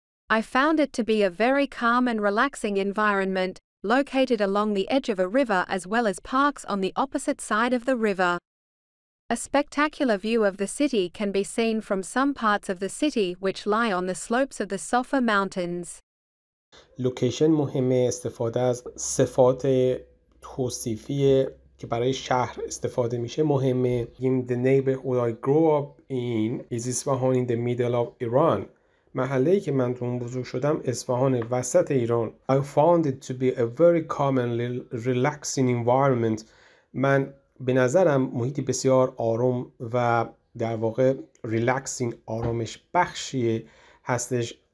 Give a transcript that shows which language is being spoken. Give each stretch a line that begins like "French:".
English: I found it to be a very calm and relaxing environment, located along the edge of a river as well as parks on the opposite side of the river. A spectacular view of the city can be seen from some parts of the city which lie on the slopes of the Sofa Mountains.
Persian: لوکیشن مهمه، استفاده از صفات توصیفی که برای شهر استفاده میشه مهمه.
English: In the neighborhood I grew up in is Isfahan in the middle of Iran.
Persian: محله‌ای که من تو اون بزرگ شدم اصفهان وسط ایران.
English: I found it to be a very calm and relaxing environment.
Persian: من به نظرم محیطی بسیار آروم و در واقع ریلکسینگ، آرامش بخشی هستش.